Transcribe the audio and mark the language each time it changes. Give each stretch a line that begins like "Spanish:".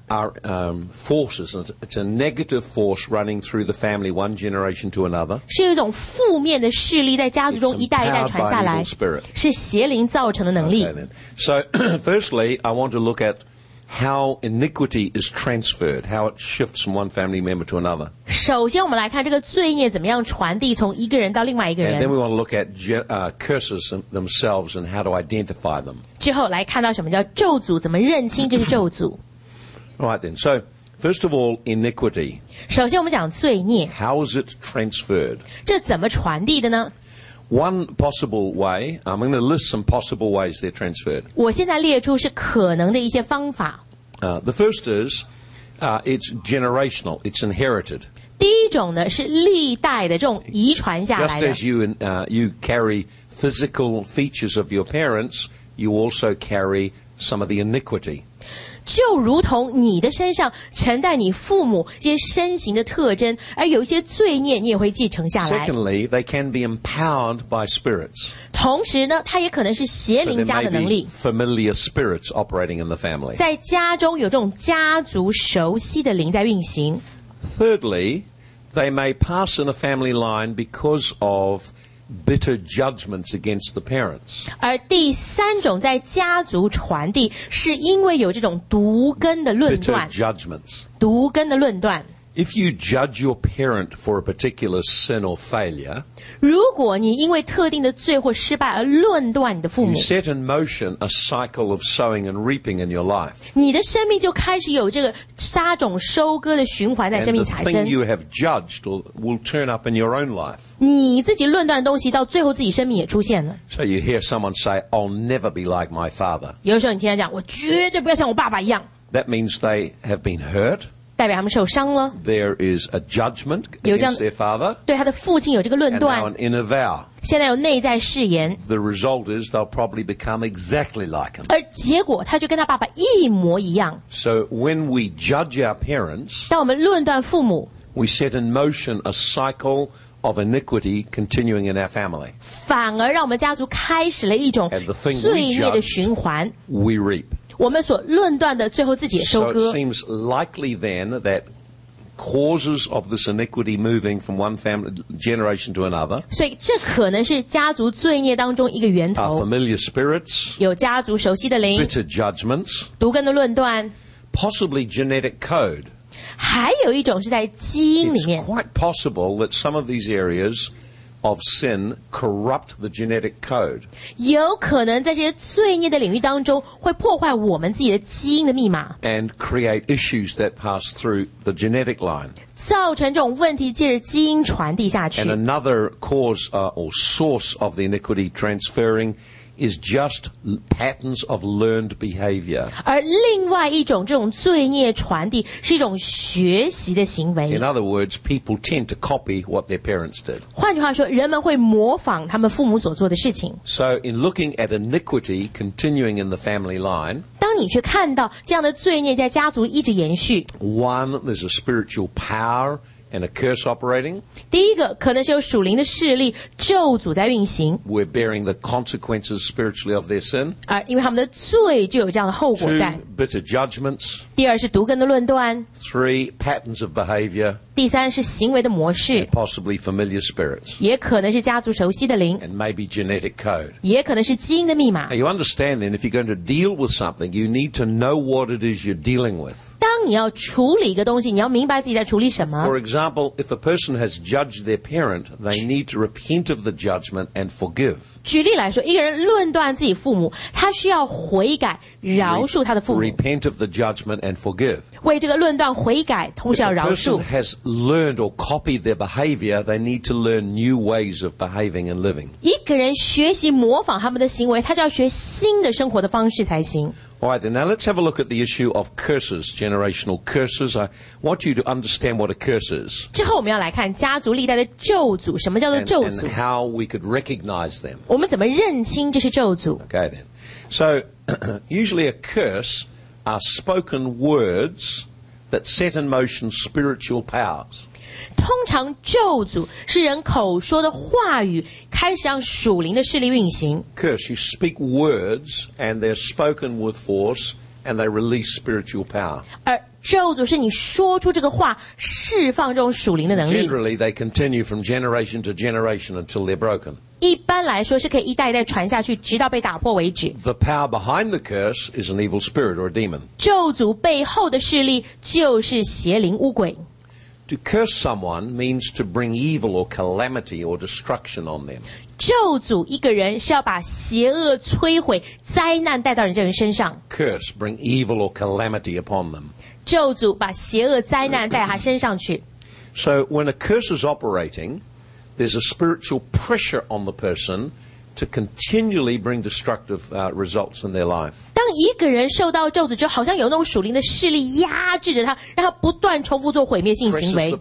English: ，are forces， it's a negative force running through the family one generation to another，
Chinese: 是一种负面的势力在家族中一代一代传下来，是邪灵造成的能力。
English: Okay, so firstly， I want to look at how iniquity is transferred, how it shifts from one family member to another.
Chinese: 首先我们来看这个罪孽怎么样传递从一个人到另外一个人。
English: And then we want to look at curses themselves and how to identify them.
Chinese: 之后来看到什么叫咒诅，怎么认清这是咒诅。
English: All right then, so first of all, iniquity.
Chinese: 首先我们讲罪孽。
English: How is it transferred?
Chinese: 这怎么传递的呢？
English: One possible way, I'm going to list some possible ways they're transferred.
Chinese: 我现在列出是可能的一些方法。
English: The first is, it's generational, it's inherited.
Chinese: 第一种呢是历代的这种遗传下来的。
English: Just as you carry physical features of your parents, you also carry some of the iniquity.
Chinese: 就如同你的身上承担你父母这些身形的特征，而有一些罪孽你也会继承下来。
English: Secondly, they can be empowered by spirits.
Chinese: 同时呢，它也可能是邪灵加的能力。
English: So there may be familiar spirits operating in the family.
Chinese: 在家中有这种家族熟悉的灵在运行。
English: Thirdly, they may pass in a family line because of bitter judgments against the parents.
Chinese: 而第三种在家族传递是因为有这种毒根的论断。
English: Bitter judgments.
Chinese: 毒根的论断。
English: If you judge your parent for a particular sin or failure,
Chinese: 如果你因为特定的罪或失败而论断你的父母，
English: you set in motion a cycle of sowing and reaping in your life.
Chinese: 你的生命就开始有这个杀种收割的循环在生命产生。
English: And the thing you have judged will turn up in your own life.
Chinese: 你自己论断的东西到最后自己生命也出现了。
English: So you hear someone say, I'll never be like my father.
Chinese: 有时候你听他讲，我绝对不要像我爸爸一样。
English: That means they have been hurt.
Chinese: 代表他们受伤了。
English: There is a judgment against their father.
Chinese: 对他的父亲有这个论断。
English: And now an inner vow.
Chinese: 现在有内在誓言。
English: The result is they'll probably become exactly like him.
Chinese: 而结果他就跟他爸爸一模一样。
English: So when we judge our parents,
Chinese: 当我们论断父母，
English: we set in motion a cycle of iniquity continuing in our family.
Chinese: 反而让我们家族开始了一种罪孽的循环。
English: We reap.
Chinese: 我们所论断的最后自己也收割。
English: So it seems likely then that causes of this iniquity moving from one family generation to another.
Chinese: 所以这可能是家族罪孽当中一个源头。
English: Are familiar spirits.
Chinese: 有家族熟悉的灵。
English: Bitter judgments.
Chinese: 毒根的论断。
English: Possibly genetic code.
Chinese: 还有一种是在基因里面。
English: It's quite possible that some of these areas... of sin corrupt the genetic code.
Chinese: 有可能在这些罪孽的领域当中会破坏我们自己的基因的密码。
English: And create issues that pass through the genetic line.
Chinese: 造成这种问题借着基因传递下去。
English: And another cause, or source of the iniquity transferring is just patterns of learned behavior.
Chinese: 而另外一种这种罪孽传递是一种学习的行为。
English: In other words, people tend to copy what their parents did.
Chinese: 换句话说，人们会模仿他们父母所做的事情。
English: So in looking at iniquity continuing in the family line,
Chinese: 当你去看到这样的罪孽在家族一直延续，
English: one, there's a spiritual power and a curse operating.
Chinese: 第一个可能是有属灵的势力咒诅在运行。
English: We're bearing the consequences spiritually of their sin.
Chinese: 因为他们的罪就有这样的后果在。
English: Two, bitter judgments.
Chinese: 第二是毒根的论断。
English: Three, patterns of behavior.
Chinese: 第三是行为的模式。
English: And possibly familiar spirits.
Chinese: 也可能是家族熟悉的灵。
English: And maybe genetic code.
Chinese: 也可能是基因的密码。
English: Now you understand then, if you're going to deal with something, you need to know what it is you're dealing with.
Chinese: 当你要处理一个东西，你要明白自己在处理什么。
English: For example, if a person has judged their parent, they need to repent of the judgment and forgive.
Chinese: 举例来说，一个人论断自己父母，他需要悔改，饶恕他的父母。
English: Repent of the judgment and forgive.
Chinese: 为这个论断悔改，同时要饶恕。
English: If a person has learned or copied their behavior, they need to learn new ways of behaving and living.
Chinese: 一个人学习模仿他们的行为，他就要学新的生活的方式才行。
English: Alright then, now let's have a look at the issue of curses, generational curses. I want you to understand what a curse is.
Chinese: 之后我们要来看家族历代的咒诅，什么叫做咒诅？
English: And how we could recognize them.
Chinese: 我们怎么认清这是咒诅？
English: Okay then. So, usually a curse are spoken words that set in motion spiritual powers.
Chinese: 通常咒诅是人口说的话语开始让属灵的势力运行。
English: Curse, you speak words and they're spoken with force and they release spiritual power.
Chinese: 而咒诅是你说出这个话释放这种属灵的能力。
English: Generally, they continue from generation to generation until they're broken.
Chinese: 一般来说是可以一代一代传下去直到被打破为止。
English: The power behind the curse is an evil spirit or a demon.
Chinese: 咒诅背后的势力就是邪灵巫鬼。
English: To curse someone means to bring evil or calamity or destruction on them.
Chinese: 咒诅一个人是要把邪恶摧毁灾难带到人这人身上。
English: Curse, bring evil or calamity upon them.
Chinese: 咒诅把邪恶灾难带他身上去。
English: So when a curse is operating, there's a spiritual pressure on the person to continually bring destructive results in their life.
Chinese: 当一个人受到咒诅之后，好像有那种属灵的势力压制着他，让他不断重复做毁灭性行为。